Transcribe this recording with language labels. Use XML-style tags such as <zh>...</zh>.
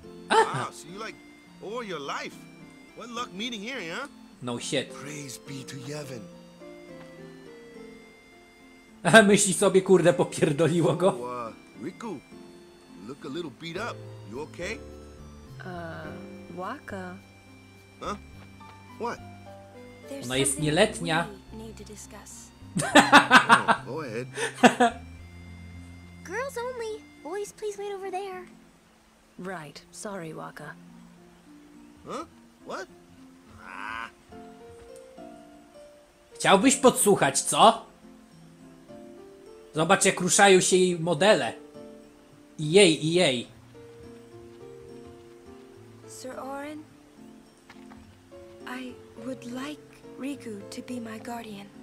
<en>Wow, so you like all your life. What luck meeting here, huh? No shit. Praise be to Yevon.</en> <pl>Myśli sobie, kurde, popierdoliło go.</pl> <en>Riku, you look a little beat up. You okay? Waka. Huh? What?</en> <pl>Ona jest nieletnia.</pl> <en>Oh, go ahead. Girls only. Boys, please wait over there. Right. Sorry, Waka. Huh? What?</en> <pl>Chciałbyś podsłuchać, co? Zobacz, jak ruszają się jej modele. I jej.</pl> <en>Sir Orin, I would like Riku to be my guardian.</en>